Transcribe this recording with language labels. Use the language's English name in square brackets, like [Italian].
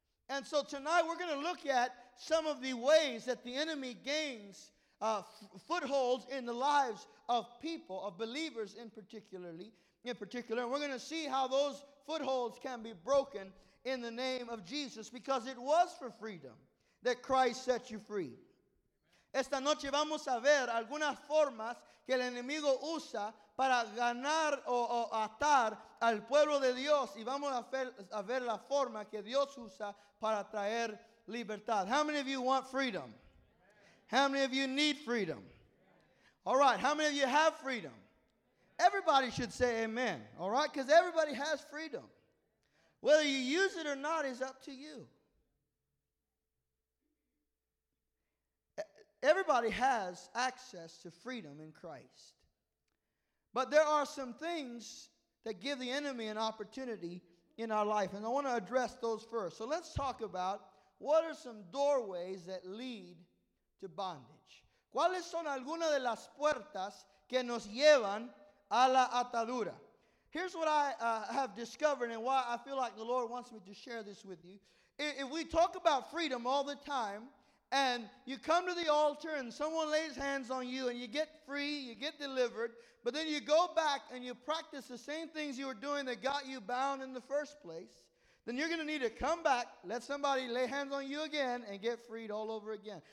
[English] And so tonight we're going to look at some of the ways that the enemy gains footholds in the lives of people, of believers in particular. And we're going to see how those footholds can be broken in the name of Jesus, because it was for freedom that Christ set you free. [Spanish] Esta noche vamos a ver algunas formas que el enemigo usa para ganar o atar al pueblo de Dios, y vamos a ver la forma que Dios usa para traer libertad. [English] How many of you want freedom? How many of you need freedom? All right, how many of you have freedom? Everybody should say amen, all right, because everybody has freedom. Whether you use it or not is up to you. Everybody has access to freedom in Christ. But there are some things that give the enemy an opportunity in our life. And I want to address those first. So let's talk about what are some doorways that lead to bondage. [Spanish] ¿Cuáles son algunas de las puertas que nos llevan a la atadura? [English] Here's what I have discovered and why I feel like the Lord wants me to share this with you. If we talk about freedom all the time, and you come to the altar and someone lays hands on you and you get free, you get delivered, but then you go back and you practice the same things you were doing that got you bound in the first place, then you're going to need to come back, let somebody lay hands on you again, and get freed all over again.